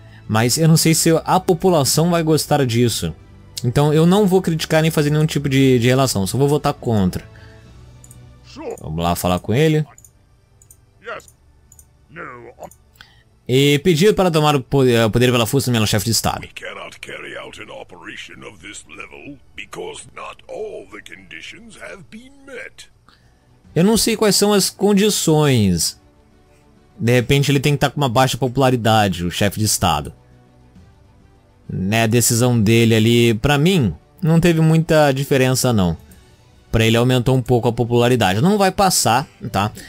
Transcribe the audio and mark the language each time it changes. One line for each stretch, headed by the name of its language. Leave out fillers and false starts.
Portuguese: Mas eu não sei se a população vai gostar disso. Então eu não vou criticar nem fazer nenhum tipo de relação. Só vou votar contra. Vamos lá falar com ele. E pedir para tomar o poder pela força do meu chefe de estado.
English: We cannot carry out an operation of this level because not all the conditions have been met.
Portuguese: Eu não sei quais são as condições. De repente ele tem que estar com uma baixa popularidade, o chefe de estado. Né, a decisão dele ali, pra mim, não teve muita diferença não. Pra ele aumentou um pouco a popularidade. Não vai passar, tá?